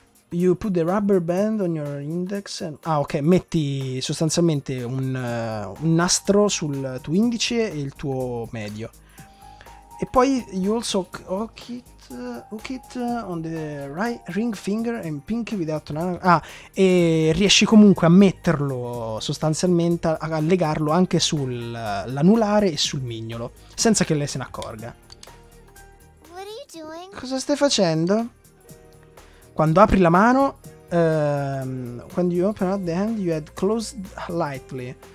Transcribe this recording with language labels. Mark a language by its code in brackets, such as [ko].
[en] You put the rubber band on your index and... [it] Ah, ok, metti sostanzialmente un nastro sul tuo indice e il tuo medio. [en] E poi you also hook it on the right ring finger and pinky without Nanako. [it] Ah, e riesci comunque a metterlo sostanzialmente, a legarlo anche sull'anulare e sul mignolo, senza che lei se ne accorga. [en] What are you doing? Cosa stai facendo? Quando apri la mano, when you open up the hand, you had closed lightly.